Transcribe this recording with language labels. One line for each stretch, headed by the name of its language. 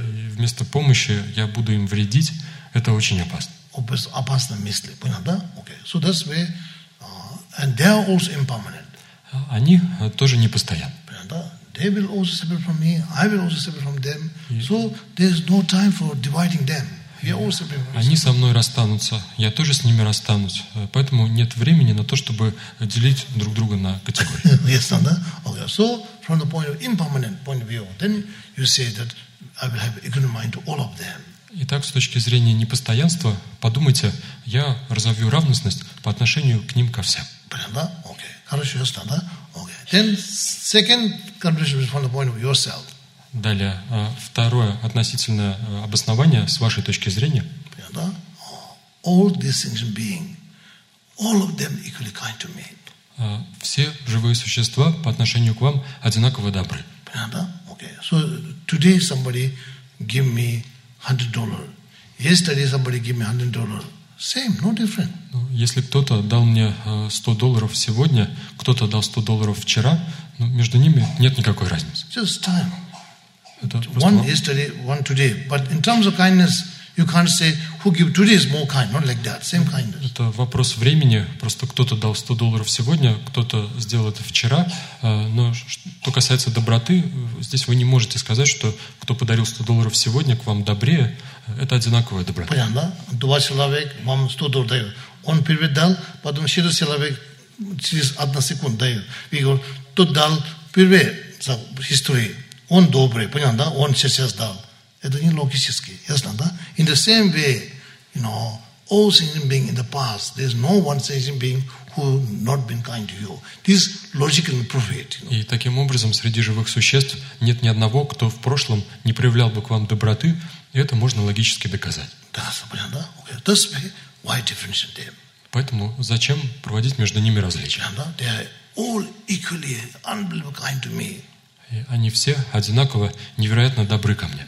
Russian: Вместо помощи я буду им вредить. Это очень опасно. Опасно мысли. Понятно? Okay.
English: So that's where and they are also impermanent.
Russian: Они тоже не постоянны.
English: They will also separate from me, I will also separate from them. So there's no time for dividing them. We are all separate from
Russian: Они со мной расстанутся, я тоже с ними расстанусь. Поэтому нет времени на то, чтобы делить друг друга на категории.
English: Yes,
Russian: да?
English: Okay. So from the point of impermanent point of view, then you say that I will have equal mind to all of them.
Russian: Итак, с точки зрения непостоянства, подумайте, я разовью равностность по отношению к ним ко всем. Понятно? Окей. Хорошо, ясно, да? Окей.
English: Then second condition is from the point of yourself.
Russian: Далее, второе относительное обоснование с вашей точки зрения. Понятно?
English: All these things being, all of them equally kind to me.
Russian: Все живые существа по отношению к вам одинаково добры. Понятно? Окей.
English: So today somebody give me $100. Yesterday somebody gave me $100. Same, no different.
Russian: Если кто-то дал мне $100 сегодня, кто-то дал $100 вчера, ну, между ними нет никакой разницы.
English: Just time. One yesterday, one today. But in terms of kindness, you can't say who give today is more kind. Not like that. Same kindness.
Russian: Это вопрос времени. Просто кто-то дал $100 сегодня, кто-то сделал это вчера. Но что касается доброты, здесь вы не можете сказать, что кто подарил $100 сегодня, к вам добрее. Это одинаковая доброта. Понятно? Два человек вам $100 дают. Он первый дал, потом еще человек через одну секунду дает. И говорит, тот дал первый за историю. Он добрый. Понятно? Он сейчас дал. Это не логически, ясно, да?
English: In the same way, you know, all sentient beings in the past, there's no one sentient being who not been kind to you. This logically prove it.
Russian: И таким образом, среди живых существ нет ни одного, кто в прошлом не проявлял бы к вам доброты, и это можно логически доказать. Да, понятно, да?
English: Okay. That's why difference in them.
Russian: Поэтому зачем проводить между ними различия? Да,
English: they are all equally unbelievably kind to me.
Russian: И они все одинаково невероятно добры ко мне.